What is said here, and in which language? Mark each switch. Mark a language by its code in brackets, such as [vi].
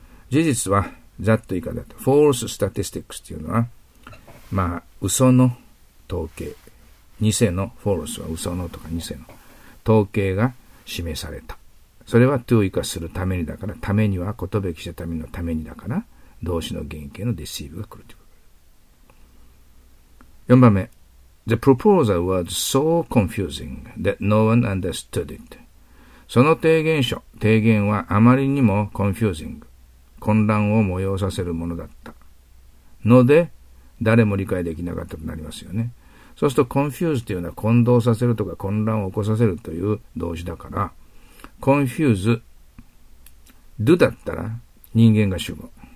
[ja] 事実は、that 以下だと。 [en] false statistics [ja] っていうのは、まあ、嘘の統計。偽の false は嘘のとか偽の。統計が示された。それは to 以下するためにだから、ためには、ことべきしたためのためにだから、動詞の原型の deceive が来るということ。 4番目。 [en] The proposal was so confusing that no one understood it. [ja] その提言書、提言はあまりにも confusing、混乱を催させるものだったので、誰も理解できなかったとなりますよね。そうすると confuse というのは混同させるとか混乱を起こさせるという動詞だから、confuse、do だったら人間が主語。